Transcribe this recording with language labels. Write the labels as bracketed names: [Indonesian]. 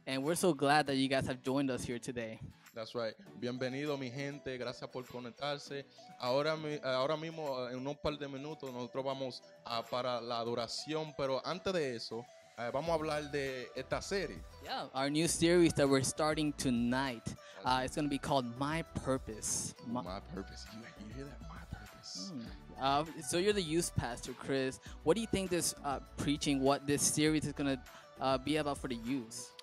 [English] And we're so glad that you guys have joined us here today. That's right. [Spanish] Bienvenido, mi gente. Gracias por conectarse. Ahora mismo, en un par de minutos, nosotros vamos para la adoración. Pero antes de eso, vamos a hablar de esta serie. [English] Yeah, our new series that we're starting tonight. It's going to be called My Purpose. My Purpose. You hear that? My Purpose. So you're the youth pastor, Chris. What do you think this preaching, what this series is going to be about for the youth?